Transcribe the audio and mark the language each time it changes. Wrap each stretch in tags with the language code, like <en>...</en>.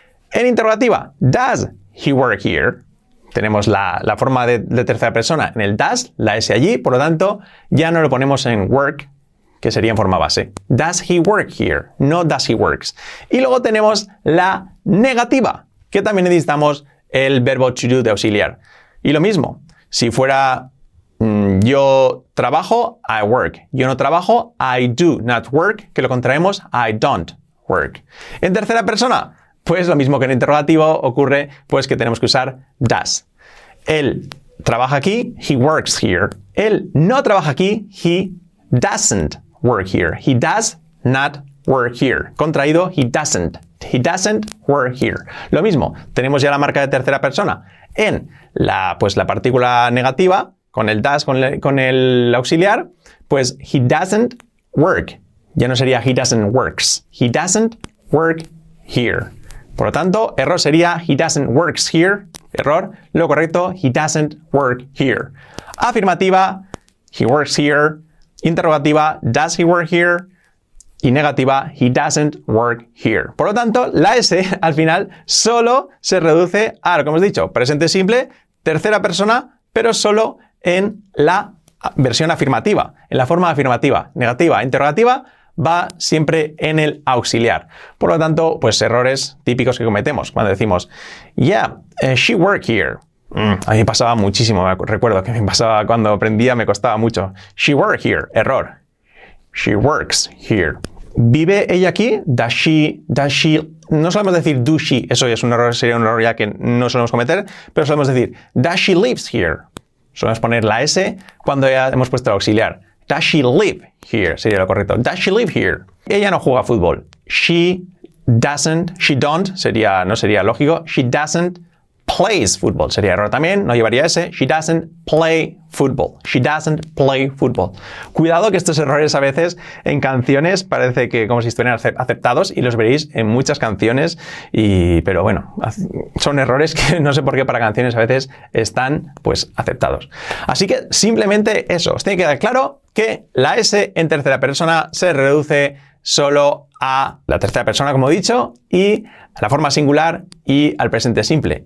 <es>En interrogativa,</es> <en>does he work here?</en> <es>Tenemos la forma de tercera persona en el does, la S allí, por lo tanto, ya no lo ponemos en work, que sería en forma base.</es> <en>Does he work here? No does he works.</en> <es>Y luego tenemos la negativa, que también necesitamos el verbo to do de auxiliar. Y lo mismo, si fuera yo trabajo,</es> <en>I work.</en> <es>Yo no trabajo,</es> <en>I do not work,</en> <es>que lo contraemos,</es> <en>I don't work.</en> <es>En tercera persona, pues lo mismo que en interrogativo ocurre, pues que tenemos que usar does. Él trabaja aquí,</es> <en>he works here.</en> <es>Él no trabaja aquí,</es> <en>he doesn't work here. He does not work here.</en> <es>Contraído,</es> <en>he doesn't. He doesn't work here.</en> <es>Lo mismo, tenemos ya la marca de tercera persona. En la partícula negativa, con el does, con el auxiliar, pues</es> <en>he doesn't work.</en> <es>Ya no sería</es> <en>he doesn't works. He doesn't work here.</en> <es>Por lo tanto, error sería</es> <en>he doesn't works here.</en> <es>Error. Lo correcto,</es> <en>he doesn't work here.</en> <es>Afirmativa,</es> <en>he works here.</en> <es>Interrogativa,</es> <en>does he work here?</en> <es>Y negativa,</es> <en>he doesn't work here.</en> <es>Por lo tanto, la S al final solo se reduce a, como hemos dicho, presente simple, tercera persona, pero solo en la versión afirmativa, en la forma afirmativa. Negativa, interrogativa, va siempre en el auxiliar. Por lo tanto, pues errores típicos que cometemos cuando decimos,</es> <en>yeah, she work here.</en> <es>A mí me pasaba muchísimo, recuerdo que me pasaba cuando aprendía, me costaba mucho.</es> <en>She work here, error. She works here.</en> <es>¿Vive ella aquí?</es> <en>Does she...</en> <es>No solemos decir</es> <en>do she,</en> <es>eso ya es un error, sería un error ya que no solemos cometer, pero solemos decir,</es> <en>does she lives here?</en> <es>Solemos poner la S cuando ya hemos puesto el auxiliar.</es> <en>Does she live here?</en> <es>Sería lo correcto.</es> <en>Does she live here?</en> <es>Ella no juega fútbol.</es> <en>She doesn't, she don't,</en> <es>sería, no sería lógico.</es> <en>She doesn't plays football.</en> <es>Sería error también, no llevaría S.</es> <en>She doesn't play football. She doesn't play football.</en> <es>Cuidado que estos errores a veces en canciones parece que como si estuvieran aceptados y los veréis en muchas canciones. Pero bueno, son errores que no sé por qué para canciones a veces están pues aceptados. Así que simplemente eso. Os tiene que quedar claro que la S en tercera persona se reduce solo a la tercera persona, como he dicho, y a la forma singular y al presente simple.</es>